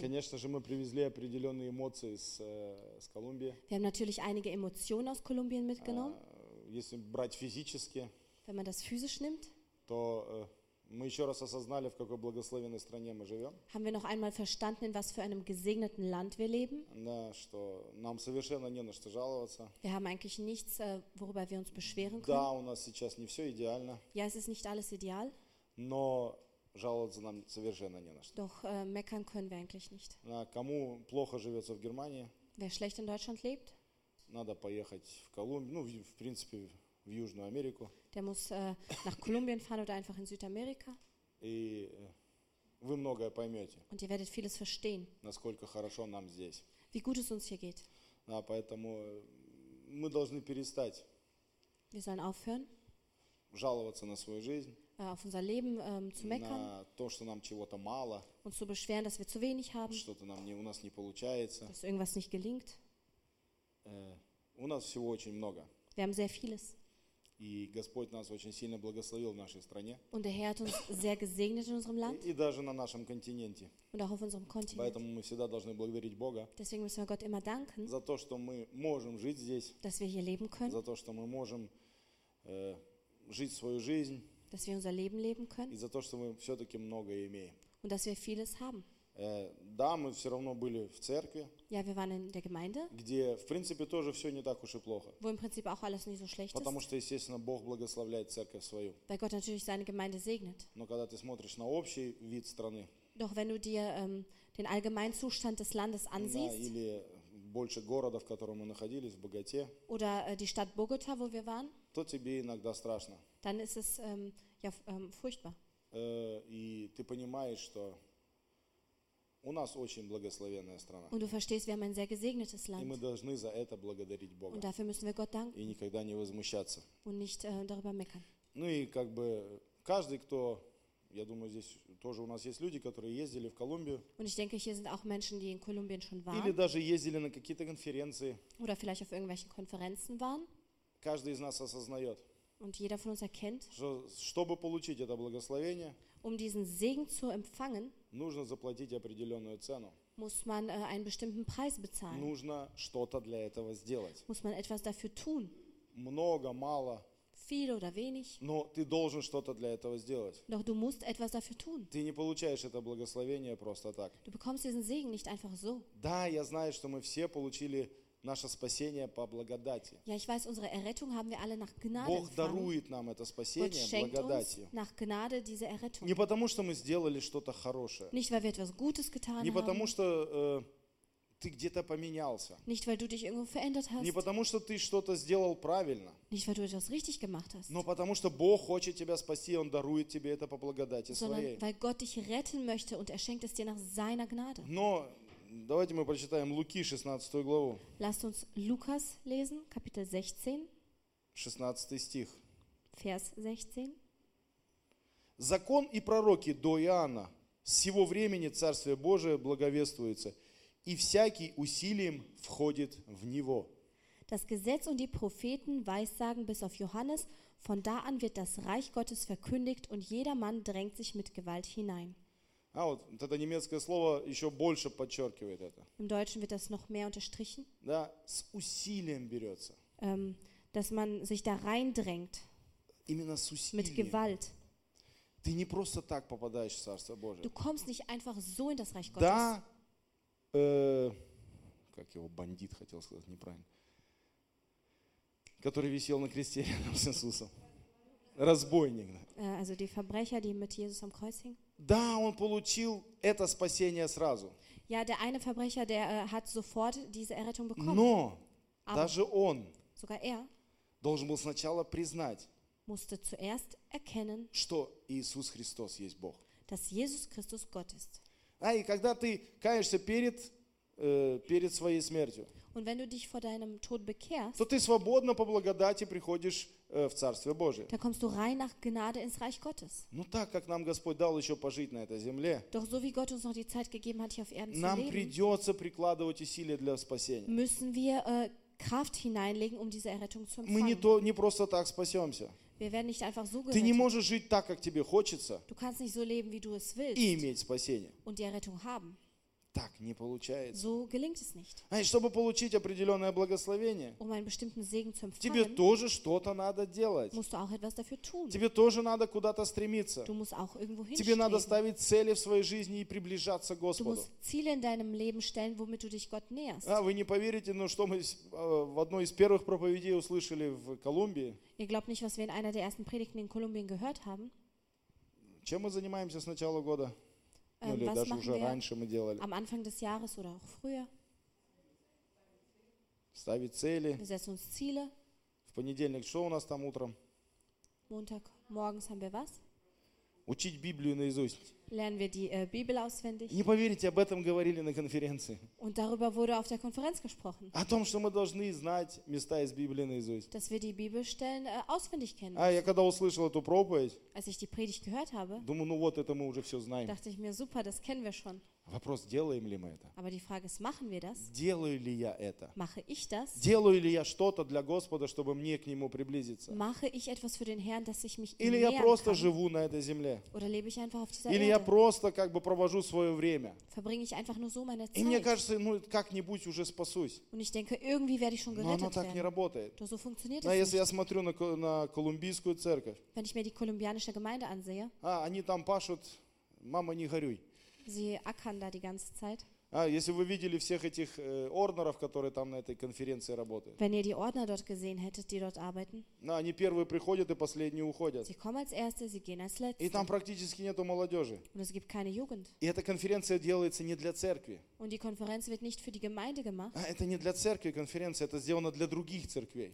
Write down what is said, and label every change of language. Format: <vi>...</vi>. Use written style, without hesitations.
<ru>Конечно же, мы привезли определенные эмоции с Колумбии.</ru> <de>Wir haben natürlich einige Emotionen aus Kolumbien mitgenommen.</de> <ru>Если брать физически,</ru> <de>wenn man das physisch nimmt,</de> <ru>то мы еще раз осознали, в какой благословенной стране мы живем.</ru> <de>Haben wir noch einmal verstanden, in was für einem gesegneten Land wir leben?</de> <ru>Да, что нам совершенно не на что жаловаться.</ru> <de>Wir haben eigentlich nichts, worüber wir uns beschweren können.</de> <ru>Да, у нас сейчас не все идеально.</ru> <de>Ja, es ist nicht alles ideal.</de> <ru>Но жаловаться нам совершенно не на что.</ru> <de>Doch meckern können wir eigentlich nicht.</de> <ru>Да, кому плохо живется в Германии?</ru> <de>Wer schlecht in Deutschland lebt?</de> <ru>Надо поехать в Колумбию, ну, в принципе, в Южную Америку.</ru> <de>Der muss nach Kolumbien fahren oder einfach in Südamerika.</de> <ru>И вы многое поймете.</ru> <de>Und ihr werdet vieles verstehen.</de> <ru>Насколько хорошо нам здесь.</ru> <de>Wie gut es uns hier geht.</de> <ru>Да, поэтому мы должны перестать.</ru> <de>Wir sollen aufhören.</de> <ru>Жаловаться на свою жизнь.</ru> <de>Auf unser Leben zu meckern.</de> <ru>На то, что нам чего-то мало.</ru> <de>Und zu beschweren, dass wir zu wenig haben.</de> <ru>Что-то нам не, у нас не получается.</ru> <de>Dass irgendwas nicht gelingt.</de> <ru>У нас всего очень много.</ru> <de>Wir haben sehr vieles.</de> <ru>И Господь нас очень сильно благословил в нашей стране.</ru> <de>Und der Herr hat uns sehr gesegnet in unserem Land.</de> <ru>И даже на нашем континенте.</ru> <de>Und auch auf unserem Kontinent.</de> <ru>Поэтому мы всегда должны благодарить Бога.</ru> <de>Deswegen müssen wir Gott immer danken.</de> <ru>За то, что мы можем жить здесь.</ru> <de>Dass wir hier leben können.</de> <ru>За то, что мы можем жить свою жизнь.</ru> <de>Dass wir unser Leben leben können.</de> <ru>И за то, что мы все-таки многое имеем.</ru> <de>Und dass wir vieles haben.</de> <ru>Да, мы все равно были в церкви,</ru> <de>ja, wir waren in der Gemeinde,</de> <ru>где, в принципе, тоже все не так уж и плохо.</ru> <de>Wo im Prinzip auch alles nicht so schlecht ist,</de> <ru>потому что, естественно, Бог благословляет церковь свою.</ru> <de>Weil Gott natürlich seine Gemeinde segnet.</de> <ru>Но когда ты смотришь на общий вид страны,</ru> <de>doch wenn du dir den allgemeinen Zustand des Landes ansiehst,</de> <ru>на, или больше города, в котором мы находились, в Богате,</ru> <de>oder die Stadt Bogota, wo wir waren,</de> <ru>то тебе иногда страшно.</ru> <de>Dann ist es furchtbar.</de> <ru>И ты понимаешь, что у нас очень благословенная страна.</ru> <de>Und du verstehst, wir haben ein sehr gesegnetes Land.</de> <ru>И мы должны за это благодарить Бога.</ru> <de>Und dafür müssen wir Gott danken.</de> <ru>И никогда не возмущаться.</ru> <de>Und nicht darüber meckern.</de> <ru>Ну и как бы каждый, кто, я думаю, здесь тоже у нас есть люди, которые ездили в Колумбию.</ru> <de>Und ich denke, hier sind auch Menschen, die in Kolumbien schon waren.</de> <ru>Или даже ездили на какие-то конференции.</ru> <de>Oder vielleicht auf irgendwelchen Konferenzen waren.</de> <ru>Каждый из нас осознает.</ru> <de>Und jeder von uns erkennt,</de> <ru>чтобы получить это благословение,</ru> <de>diesen Segen zu empfangen,</de> <ru>нужно заплатить определенную цену.</ru> <de>Muss man einen bestimmten Preis bezahlen.</de> <ru>Нужно что-то для этого сделать.</ru> <de>Muss man etwas dafür tun.</de> <ru>Много, мало.</ru> <de>Viel oder wenig.</de> <ru>Но ты должен что-то для этого сделать.</ru> <de>Doch du musst etwas dafür tun.</de> <ru>Ты не получаешь это благословение просто так.</ru> <de>Du bekommst diesen Segen nicht einfach so.</de> <ru>Да, я знаю, что мы все получили наше спасение по благодати.</ru> <de>Ja, ich weiß, unsere Errettung haben wir alle nach Gnade.</de> <ru>Бог дарует нам это спасение благодатью.</ru> <de>Gott schenkt uns nach Gnade diese Errettung.</de> <ru>Не потому, что мы сделали что-то хорошее.</ru> <de>Nicht, weil wir etwas Gutes getan haben.</de> <ru>Не потому, что ты где-то поменялся.</ru> <de>Nicht, weil du dich irgendwo verändert hast.</de> <ru>Не потому, что ты что-то сделал правильно.</ru> <de>Nicht, weil du etwas richtig gemacht hast.</de> <ru>Но потому, что Бог хочет тебя спасти, Он дарует тебе это по благодати своей.</ru> <de>Sondern, weil Gott dich retten möchte und schenkt es dir nach seiner Gnade.</de> <ru>Но давайте мы прочитаем Луки 16 главу.</ru> <de>Lasst uns Lukas lesen, Kapitel 16.</de> <ru>16 стих.</ru> <de>Vers 16.</de> <ru>Закон и пророки до Иоанна с сего времени Царствие Божие благовествуется, и всякий усилием входит в него.</ru> <de>Das Gesetz und die Propheten weissagen bis auf Johannes, von da an wird das Reich Gottes verkündigt und jedermann drängt sich mit Gewalt hinein.</de> <ru>А вот это немецкое слово еще больше подчеркивает это.</ru> <de>Im Deutschen wird das noch mehr unterstrichen.</de> <ru>Да, с усилием берется.</ru> <de>Dass man sich da reindrängt.</de> <ru>Именно с усилием.</ru> <de>Mit Gewalt.</de> <ru>Ты не просто так попадаешь в Царство Божие.</ru> <de>Du kommst nicht einfach so in das Reich Gottes.</de> <ru>Да, как его бандит хотел сказать, неправильно.</ru> <de>Который висел на кресте рядом с Иисусом.</de> <ru>Разбойник.</ru> <de>Also die Verbrecher, die mit Jesus am Kreuz hingen.</de> <ru>Да, он получил это спасение сразу.</ru> <de>Ja, der eine Verbrecher, der hat sofort diese Errettung bekommen.</de> <ru>Но даже он</ru> <de>sogar er</de> <ru>должен был сначала признать,</ru> <de>musste zuerst erkennen,</de> <ru>что Иисус Христос есть Бог.</ru> <de>Dass Jesus Christus Gott ist.</de> <ru>А и когда ты каешься перед своей смертью,</ru> <de>und wenn du dich vor deinem Tod bekehrst,</de> <ru>то ты свободно по благодати приходишь в Царствие Божие.</ru> <de>Da kommst du rein nach Gnade ins Reich Gottes.</de> <ru>Ну так, как нам Господь дал еще пожить на этой земле,</ru> <de>doch so wie Gott uns noch die Zeit gegeben hat, hier auf Erden zu leben,</de> <ru>нам придется прикладывать усилия для спасения.</ru> <de>Müssen wir Kraft hineinlegen, um diese Errettung zu empfangen.</de> <ru>Мы не просто так спасемся.</ru> <de>Wir werden nicht einfach so gerettet.</de> <ru>Ты не можешь жить так, как тебе хочется.</ru> <de>Du kannst nicht so leben, wie du es willst.</de> <ru>И иметь спасение.</ru> <de>Und die Errettung haben.</de> <ru>Так не получается.</ru> <de>So gelingt es nicht.</de> <ru>А чтобы получить определенное благословение,</ru> <de>um einen bestimmten Segen zu empfangen,</de> <ru>тебе тоже что-то надо делать.</ru> <de>Musst du auch etwas dafür tun.</de> <ru>Тебе тоже надо куда-то стремиться.</ru> <de>Du musst auch irgendwo hinstreben.</de> <ru>Тебе надо ставить цели в своей жизни и приближаться к Господу.</ru> <de>Du musst Ziele in deinem Leben stellen, womit du dich Gott näherst.</de> <ru>А вы не поверите, но что мы в одной из первых проповедей услышали в Колумбии?</ru> <de>Ihr glaubt nicht, was wir in einer der ersten Predigten in Kolumbien gehört haben.</de> <ru>Чем мы занимаемся с начала года? Ну, или</ru> <de>was</de> <ru>даже</ru> <de>machen</de> <ru>уже раньше мы делали.</ru> <de>Am Anfang des Jahres oder auch früher.</de> <ru>Ставить цели.</ru> <de>Wir setzen uns Ziele.</de> <ru>В понедельник что у нас там утром?</ru> <de>Montag morgens haben wir was?</de> <ru>Учить Библию наизусть.</ru> <de>Lernen wir die Bibel auswendig.</de> <ru>Не поверите, об этом говорили на конференции.</ru> <de>Und darüber wurde auf der Konferenz gesprochen.</de> <ru>О том, что мы должны знать места из Библии наизусть.</ru> <de>Dass wir die Bibelstellen auswendig kennen.</de> <ru>А я когда услышал эту проповедь,</ru> <de>als ich die Predigt gehört habe,</de> <ru>думаю, ну вот это мы уже все знаем.</ru> <de>Dachte ich mir, super, das kennen wir schon.</de> <ru>Вопрос, делаем ли мы это?</ru> <de>Aber die Frage ist, machen wir das?</de> <ru>Делаю ли я это?</ru> <de>Mache ich das?</de> <ru>Делаю ли я что-то для Господа, чтобы мне к Нему приблизиться?</ru> <de>Mache ich etwas für den Herrn, dass ich mich ihm</de> <ru>Или я просто живу на этой земле?</ru> <de>Oder lebe ich einfach auf dieser Erde?</de> <ru>Я просто как бы провожу свое время.</ru> <de>Verbringe ich einfach nur so meine Zeit.</de> <ru>И мне кажется, ну как-нибудь уже спасусь.</ru> <de>Und ich denke, irgendwie werde ich schon gerettet.</de> <ru>Но оно так</ru> <de>werden.</de> <ru>Не работает. Но</ru> <de>so funktioniert</de> <ru>Но</ru> <de>es</de> <ru>если</ru> <de>nicht.</de> <ru>Я смотрю на колумбийскую церковь,</ru> <de>wenn ich mir die kolumbianische Gemeinde ansehe,</de> <ru>а они там пашут, мама не горюй.</ru> <de>Sie ackern da die ganze Zeit.</de> <ru>А если вы видели всех этих орнеров, которые там на этой конференции работают?</ru> <de>Wenn ihr die Ordner dort gesehen hättet, die dort arbeiten.</de> <ru>Ну, они первые приходят и последние уходят.</ru> <de>Sie kommen als erste, sie gehen als letzte.</de> <ru>И там практически нету молодежи.</ru> <de>Und es gibt keine Jugend.</de> <ru>И эта конференция делается не для церкви.</ru> <de>Und die Konferenz wird nicht für die Gemeinde gemacht.</de> <ru>А это не для церкви конференция, это сделано для других церквей.</ru>